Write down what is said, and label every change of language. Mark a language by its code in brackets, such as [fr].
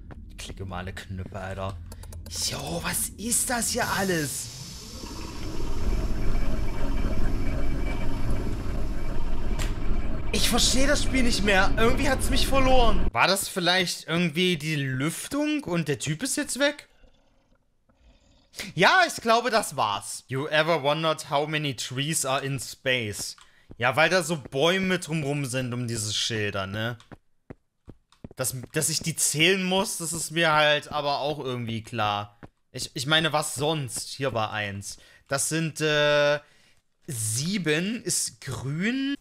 [de] Ich klicke mal alle Knöpfe, Alter. Jo, was ist das hier alles? Ich verstehe das Spiel nicht mehr. Irgendwie hat es mich verloren. War das vielleicht irgendwie die Lüftung und der Typ ist jetzt weg? Ja, ich glaube, das war's. [en] You ever wondered how many trees are in space? [de] Ja, weil da so Bäume drumrum sind um diese Schilder, ne? Dass ich die zählen muss, das ist mir halt aber auch irgendwie klar. Ich meine, was sonst? Hier war eins. Das sind, 7 ist grün.